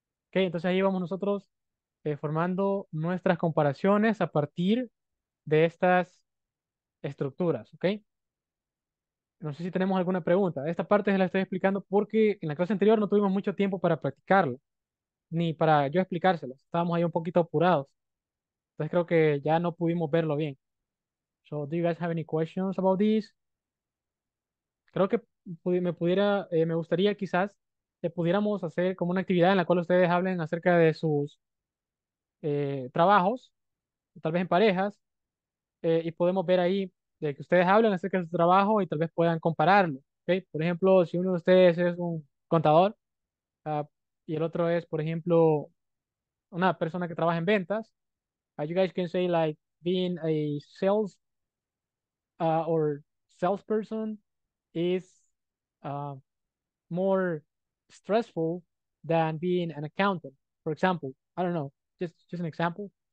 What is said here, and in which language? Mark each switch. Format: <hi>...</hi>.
<es>Okay, entonces ahí vamos nosotros formando nuestras comparaciones a partir de estas estructuras, ¿ok? No sé si tenemos alguna pregunta. Esta parte se la estoy explicando porque en la clase anterior no tuvimos mucho tiempo para practicarlo, ni para yo explicárselo. Estábamos ahí un poquito apurados. Entonces creo que ya no pudimos verlo bien.</es> <en>So, do you guys have any questions about this?</en> <es>Creo que me gustaría quizás que pudiéramos hacer como una actividad en la cual ustedes hablen acerca de sus trabajos, tal vez en parejas, y podemos ver ahí de que ustedes hablen acerca de su trabajo y tal vez puedan compararlo, ¿okay? Por ejemplo, si uno de ustedes es un contador y el otro es, por ejemplo, una persona que trabaja en ventas,</es> <en>you guys can say like being a sales or salesperson is more stressful than being an accountant. For example, I don't know, just an example.</en>